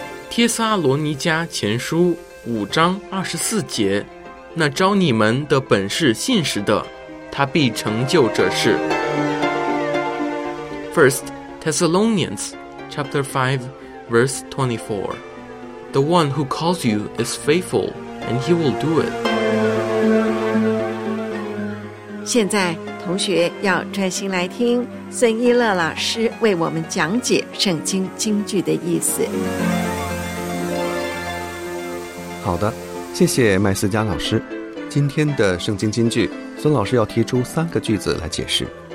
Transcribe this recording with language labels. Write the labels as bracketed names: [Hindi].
[Chinese] 帖撒罗尼迦前书五章二十四节，那招你们的本是信实的，他必成就这事。 [English] First Thessalonians chapter 5 verse 24,The one who calls you is faithful, and he will do it. [Chinese] 现在同学要专心来听孙一乐老师为我们讲解圣经经句的意思。好的，谢谢麦思佳老师。今天的圣经经句，孙老师要提出三个句子来解释。